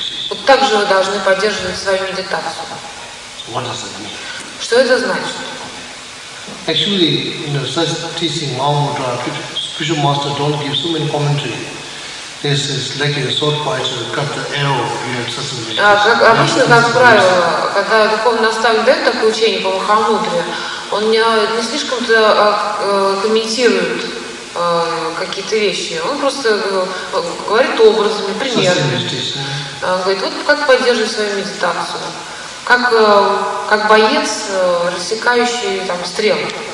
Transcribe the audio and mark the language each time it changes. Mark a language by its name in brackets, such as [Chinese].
[Russian] Вот так же вы должны поддерживать свою медитацию. Что это значит? [English] Actually, you know, such teaching, Mahamudra, spiritual master don't give so many commentary. This is like a sword fighter, cut the arrow, you have such a meditation. [Russian] Как обычно, как правило, когда духовный наставник дает такое учение по Махамудре, он не слишком-то комментирует какие-то вещи. Он просто говорит образами, примерами. Говорит, вот как поддерживать свою медитацию. Как боец, рассекающий там стрелы.